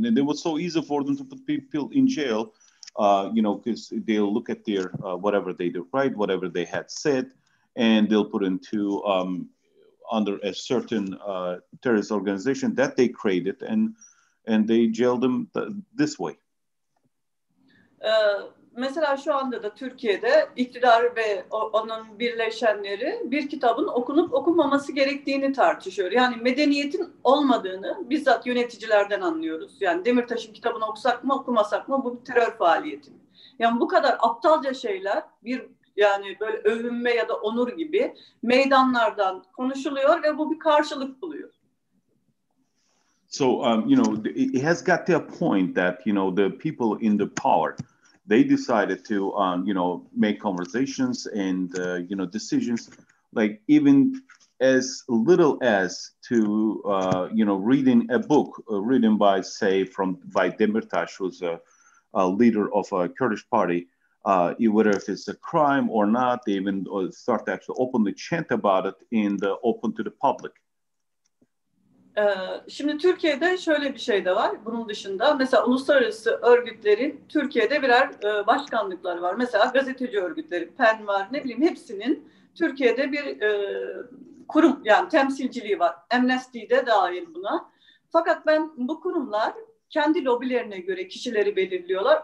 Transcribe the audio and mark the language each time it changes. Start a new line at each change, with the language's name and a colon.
English: And it was so easy for them to put people in jail, because they'll look at their, whatever they did right, whatever they had said, and they'll put into, under a certain terrorist organization that they created, and they jailed them this way.
Turkish: Mesela şu anda da Türkiye'de iktidar ve onun birleşenleri bir kitabın okunup okunmaması gerektiğini tartışıyor. Yani medeniyetin olmadığını bizzat yöneticilerden anlıyoruz. Yani Demirtaş'ın kitabını okusak mı okumasak mı bu bir terör faaliyeti. Yani bu kadar aptalca şeyler bir yani böyle övünme ya da onur gibi meydanlardan konuşuluyor ve bu bir karşılık buluyor.
English: So, it has got to a point that, the people in the power, they decided to, make conversations and, decisions, like even as little as to, reading a book written by, say, by Demirtas, who's a leader of a Kurdish party, whether if it's a crime or not, they even start to actually openly chant about it in the open to the public.
Turkish: Şimdi Türkiye'de şöyle bir şey de var. Bunun dışında mesela uluslararası örgütlerin Türkiye'de birer başkanlıkları var. Mesela gazeteci örgütleri, PEN var, ne bileyim hepsinin Türkiye'de bir kurum yani temsilciliği var. Amnesty de dahil buna. Fakat ben bu kurumlar kendi lobilerine göre kişileri belirliyorlar.